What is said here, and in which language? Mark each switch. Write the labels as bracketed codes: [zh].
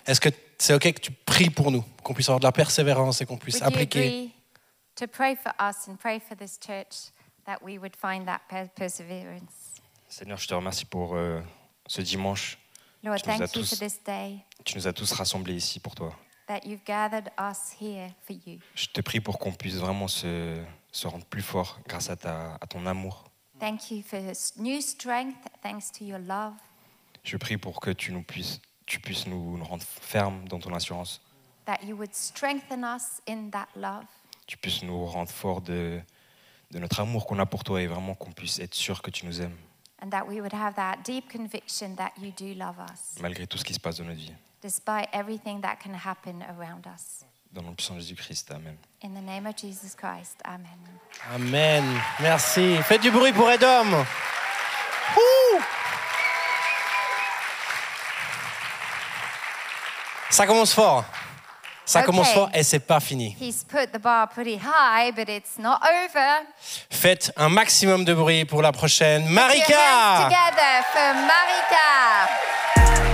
[fr] Est-ce que c'est OK que tu pries pour nous, qu'on puisse avoir de la persévérance et qu'on puisse [en] would [fr] appliquer? [en] You agree to pray for us and pray for this church that we would find that perseverance? [fr] Seigneur, je te remercie pour ce dimanche. [en] Lord, thank you for this day. [fr] Tu nous as tous rassemblés ici pour toi. [en] That you've gathered us here for you. [fr] Je te prie pour qu'on puisse vraiment se rendre plus fort grâce à ton amour. [en] Thank you for new strength, thanks to your love. [fr] Je prie pour que tu puisses nous rendre fermes dans ton assurance. [en] That you would strengthen us in that love. [fr] Tu puisses nous rendre forts de notre amour qu'on a pour toi et vraiment qu'on puisse être sûr que tu nous aimes. [en] And that we would have that deep conviction that you do love us. [fr] Malgré tout ce qui se passe dans notre vie. [en] Despite everything that can happen around us. [fr] Dans le nom de Jésus-Christ, amen. [en] In the name of Jesus Christ, amen. [fr] Amen. Merci. Faites du bruit pour Edom. Ouh! Ça commence fort. Ça commence fort et c'est pas fini. [en] He's put the bar pretty high, but it's not over. [fr] Faites un maximum de bruit pour la prochaine Marika. [en] Together for Marika.